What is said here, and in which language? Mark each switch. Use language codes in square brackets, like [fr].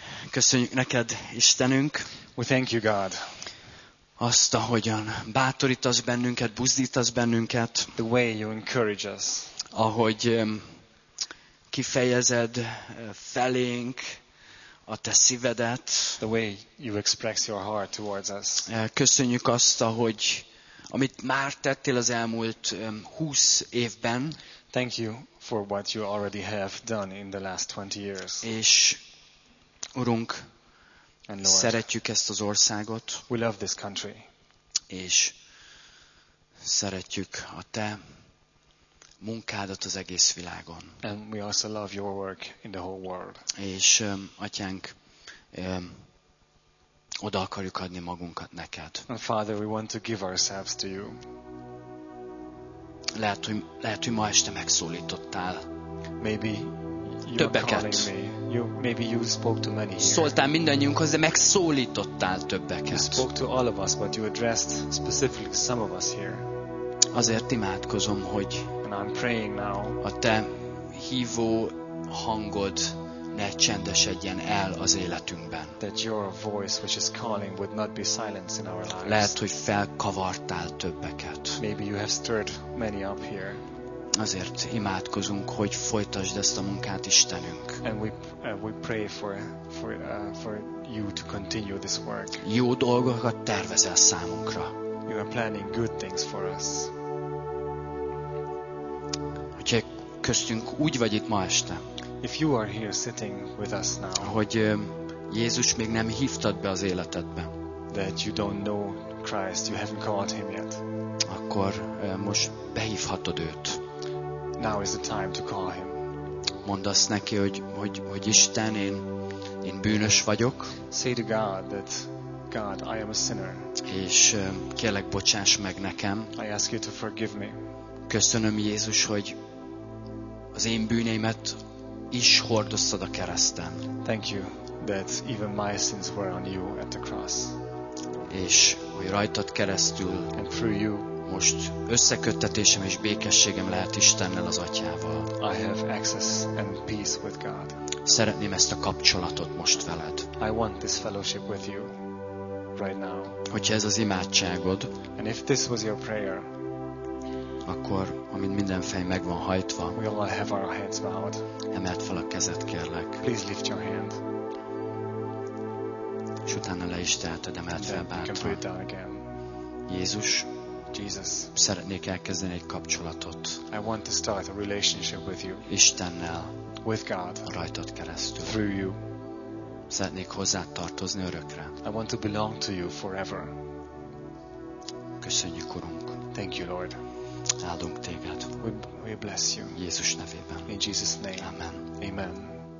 [hu] Köszönjük neked, Istenünk. [en] We thank you, God. [hu] Azt, ahogyan bátorítasz bennünket, buzdítasz bennünket. [en] The way you encourage us. [hu] Ahogy kifejezed felénk a te szívedet. [en] The way you express your heart towards us. [hu] Köszönjük azt, ahogy amit már tettél az elmúlt 20 évben. [en] Thank you for what you already have done in the last 20 years. [hu] És Urunk, [en] and Lord, [hu] szeretjük ezt az országot. [en] We love this country. [hu] És szeretjük a te munkádat az egész világon. [en] And we also love your work in the whole world. [hu] És Atyánk, oda akarjuk adni magunkat neked. [en] And Father, we want to give ourselves to you. [hu] Lehet, hogy ma este megszólítottál. [en] Maybe you're [hu] többeket. [en] Calling me. You, maybe you spoke to many here. [hu] Szóltál mindannyiunkhoz, de megszólítottál többeket. [en] You spoke to all of us, but you addressed specifically some of us here. [hu] Azért imádkozom, hogy [en] and I'm praying now, [hu] a te hívó hangod ne csendesedjen el az életünkben. [en] That your voice, which is calling, would not be silenced in our lives. [hu] Lehet, hogy felkavartál többeket. [en] Maybe you have stirred many up here. [hu] Azért imádkozunk, hogy folytasd ezt a munkát, Istenünk. [en] And we pray for you to continue this work. [hu] Jó dolgokat tervezel számunkra. [en] You are planning good things for us. [hu] Hogy köztünk úgy vagy itt ma este. [en] If you are here sitting with us now. [hu] Hogy Jézus még nem hívtad be az életedbe. [en] That you don't know Christ, you haven't called him yet. [hu] Akkor most behívhatod őt. [en] Now is the time to call him. [hu] Mondd azt neki, hogy Isten, én bűnös vagyok. [en] Say to God that God, I am a sinner. [hu] És kérlek, bocsáss meg nekem. [en] I ask you to forgive me. [hu] Köszönöm, Jézus, hogy az én bűneimet is hordoztad a kereszten. [en] Thank you that even my sins were on you at the cross. [hu] És hogy rajtad keresztül [en] and through you [hu] most összeköttetésem és békességem lehet Istennel, az Atyával. [en] I have access and peace with God. [hu] Szeretném ezt a kapcsolatot most veled. [en] I want this fellowship with you right now. [hu] Hogyha ez az imádságod, [en] and if this was your prayer, [hu] akkor, amint minden fej meg van hajtva, [en] we all have our heads bowed. [hu] Emeld fel a kezed, kérlek. [en] Please lift your hand. [hu] És utána le is teheted, emeld fel bátran. Jézus, [en] Jesus, [hu] szeretnék elkezdeni egy kapcsolatot. [en] I want to start a relationship with you. [hu] Istennel. [en] With God. [hu] Rajtad keresztül. [en] Through you. [hu] Szeretnék hozzád tartozni örökre. [en] I want to belong to you forever. [hu] Köszönjük, Urunk. [en] Thank you, Lord. [hu] Áldunk téged. [en] We bless you. [hu] Jézus nevében. [en] In Jesus name. [hu] Amen. [en] Amen.